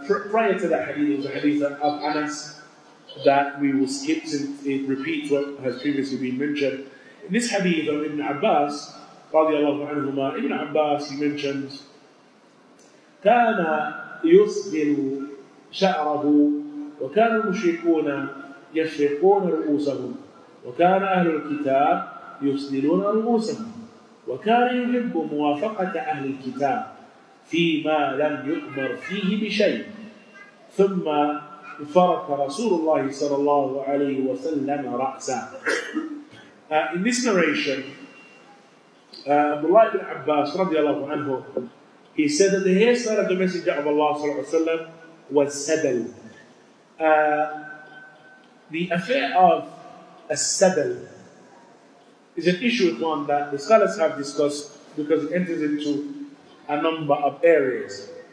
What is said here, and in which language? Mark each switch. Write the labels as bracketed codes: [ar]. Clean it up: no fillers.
[en] Prior to that hadith, the hadith of Anas that we will skip since it repeats what has previously been mentioned. In this hadith of Ibn Abbas radiallahu anhuma, Ibn Abbas, he mentions [ar] كَانَ يُسْبِلُ شَعْرَهُ وَكَانَ الْمُشْرِكُونَ يَشْرِقُونَ رُؤُوسَهُمْ وَكَانَ أَهْلُ الْكِتَابِ يُسْدِلُونَ رُؤُوسَهُمْ وَكَانَ يُحِبُّ مُوَافَقَةَ أَهْلِ الْكِتَابِ فيما لم يؤمر فيه بشيء. ثم فرق رسول الله صلى الله عليه وسلم رأسه. [en] In this narration, Abdullah ibn Abbas رضي الله عنه, he said that the hairstyle of the Messenger of Allah صلى الله عليه وسلم was sabal. The affair of a sabal is an issue with one that the scholars have discussed because it enters into a number of areas.